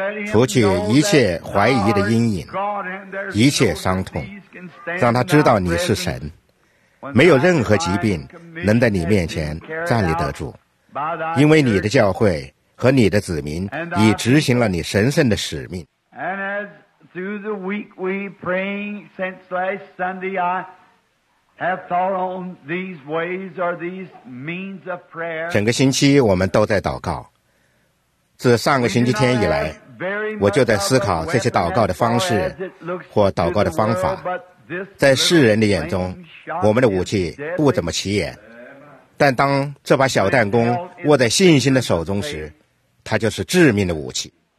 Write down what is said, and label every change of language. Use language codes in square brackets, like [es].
[zh] 除去一切怀疑的阴影，一切伤痛，让他知道你是神，没有任何疾病能在你面前站立得住，因为你的教会和你的子民已执行了你神圣的使命。 [en] And as through the week we praying since last Sunday, I have thought on these ways or these means of prayer. [zh] 整个星期我们都在祷告。自上个星期天以来，我就在思考这些祷告的方式或祷告的方法。在世人的眼中，我们的武器不怎么起眼，但当这把小弹弓握在信心的手中时，它就是致命的武器。